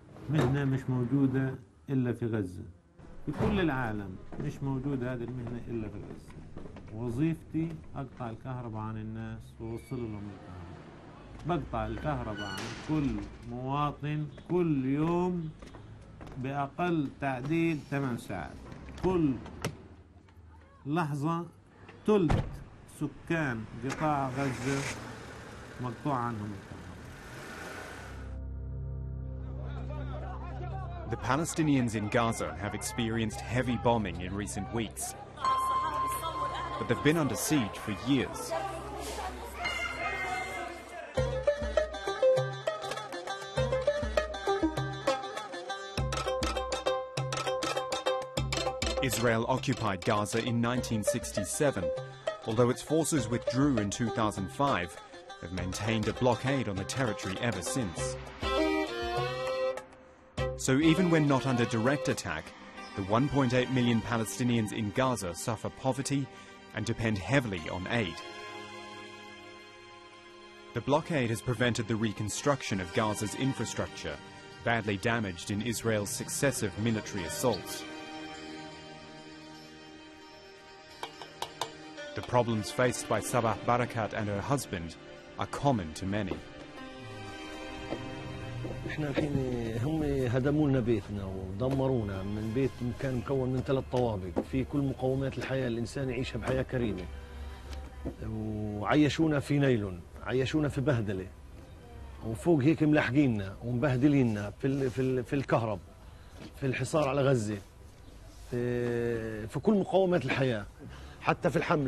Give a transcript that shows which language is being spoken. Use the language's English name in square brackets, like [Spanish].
[Arabic] مهنة مش موجودة إلا في غزة في كل العالم مش موجودة هذه المهنة إلا في غزة وظيفتي أقطع الكهرباء عن الناس ووصل لهم الكهرباء بقطع الكهرباء عن كل مواطن كل يوم بأقل تعديل 8 ساعات كل لحظة ثلث سكان قطاع غزة مقطوع عنهم [English] The Palestinians in Gaza have experienced heavy bombing in recent weeks, but they've been under siege for years. Israel occupied Gaza in 1967. Although its forces withdrew in 2005, they've maintained a blockade on the territory ever since. So even when not under direct attack, the 1.8 million Palestinians in Gaza suffer poverty and depend heavily on aid. The blockade has prevented the reconstruction of Gaza's infrastructure, badly damaged in Israel's successive military assaults. The problems faced by Sabah Barakat and her husband are common to many. [Arabic] احنا الحين هم هدموا لنا بيتنا ودمرونا من بيت كان مكون من 3 طوابق في كل مقومات الحياه الانسان يعيشها بحياه كريمه وعيشونا في نيلون، عيشونا في بهدلة، وفوق هيك ملاحقيننا ومبهدليننا في الـ في الـ في الكهرب، في الحصار على غزة، في كل مقاومات الحياة، حتى في الحم.